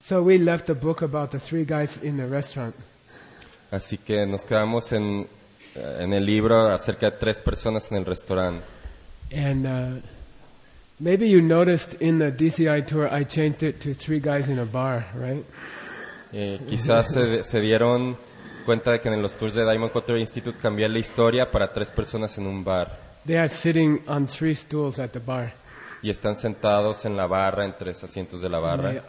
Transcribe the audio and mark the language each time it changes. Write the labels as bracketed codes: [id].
[en] So we left the book about the three guys in the restaurant. [es] Así que nos quedamos en el libro acerca de tres personas en el restaurante. [en] And maybe you noticed in the DCI tour I changed it to three guys in a bar, right? [es] Quizás se dieron cuenta de que en los tours de Diamond Cutter Institute cambié la historia para tres personas en un bar. [en] They are sitting on three stools at the bar. [es] Y están sentados en la barra, en tres asientos de la barra.